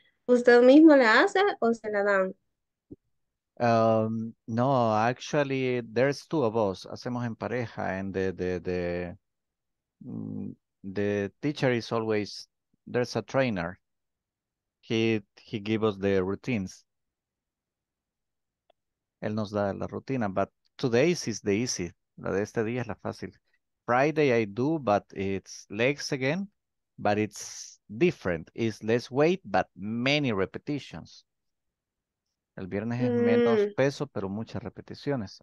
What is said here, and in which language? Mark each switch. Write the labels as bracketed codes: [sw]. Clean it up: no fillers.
[es] ¿Usted mismo la hace o se la dan? [en] No, actually, there's two of us. [es] Hacemos en pareja, [en] and the teacher is always, there's a trainer. He gives us the routines. [es] Él nos da la rutina, [en] but today is the easy. [es] La de este día es la fácil. [en] Friday I do, but it's legs again, but it's different. It's less weight, but many repetitions. [es] El viernes es menos peso, pero muchas repeticiones.